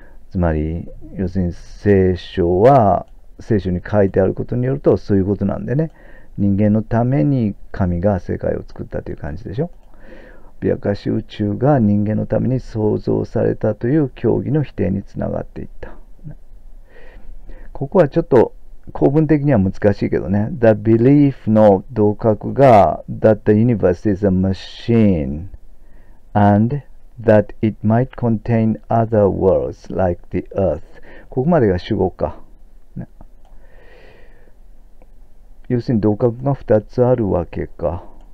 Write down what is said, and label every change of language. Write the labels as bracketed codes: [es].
[ja] つまり、要するに聖書に書いてあることによると、そういうことなんでね。人間のために神が世界を作ったという感じでしょ。脅かし、宇宙が人間のために創造されたという教義の否定につながっていった。ここはちょっと構文的には難しいけどね。 [en] The belief [ja] の同格が [en] that the universe is a machine and that it might contain other worlds like the earth。 [ja] ここまでが主語か。要するに同格が2つあるわけか。